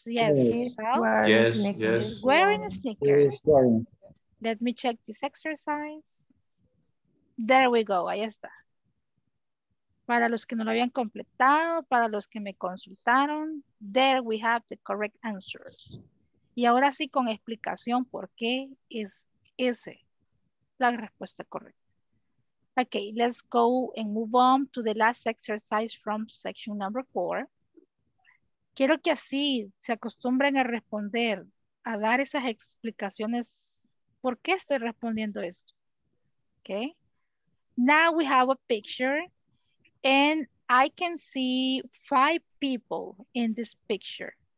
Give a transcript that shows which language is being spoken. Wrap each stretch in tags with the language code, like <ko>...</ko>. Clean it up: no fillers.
<en>Let me check this exercise. There we go.</en> <es>Ahí está. Para los que no lo habían completado, para los que me consultaron,</es> <en>there we have the correct answers.</en> <es>Y ahora sí con explicación por qué es ese la respuesta correcta.</es> <en>Okay, let's go and move on to the last exercise from section number 4.</en> <es>Quiero que así se acostumbren a responder, a dar esas explicaciones. ¿Por qué estoy respondiendo esto? Okay.</es> <en>Now we have a picture and I can see 5 people in this picture.</en>